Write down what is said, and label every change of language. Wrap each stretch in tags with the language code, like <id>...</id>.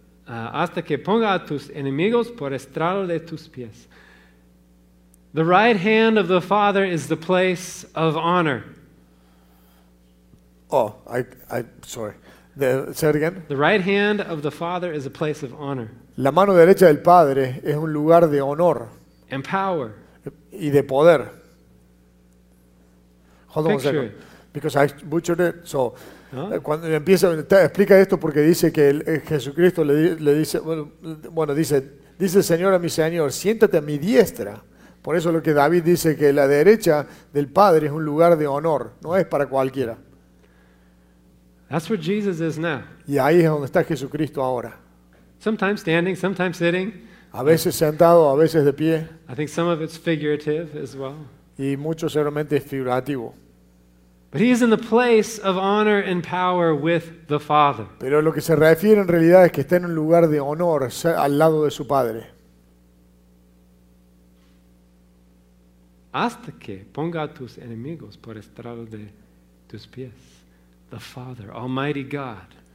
<es>hasta que ponga a tus enemigos por estrado de tus pies.</es> <en>The right hand of the Father is the place of honor. Oh, I sorry. Say it again. The right hand of the Father is a place of honor.</en> <es>La mano derecha del Padre es un lugar de honor.</es> <en>And power.</en> <es>Y de poder.</es> <en>Hold on a second. Because I butchered it.</en> <es>So, cuando empieza, explica esto porque dice que Jesucristo le dice, bueno, dice Señor a mi Señor, siéntate a mi diestra. Por eso lo que David dice que la derecha del Padre es un lugar de honor, no es para cualquiera.</es> <en>That's where Jesus is now.</en> <es>Y ahí es donde está Jesucristo ahora.</es> <en>Sometimes standing, sometimes sitting.</en> <es>A veces sentado, a veces de pie.</es> <en>I think some of it's figurative as well.</en> <es>Y mucho seguramente es figurativo.</es> <en>But he is in the place of honor and power with the Father.</en> <es>Pero lo que se refiere en realidad es que está en un lugar de honor al lado de su Padre. Hasta que ponga a tus enemigos por estrado de tus pies.</es> <en>The Father, Almighty God.</en>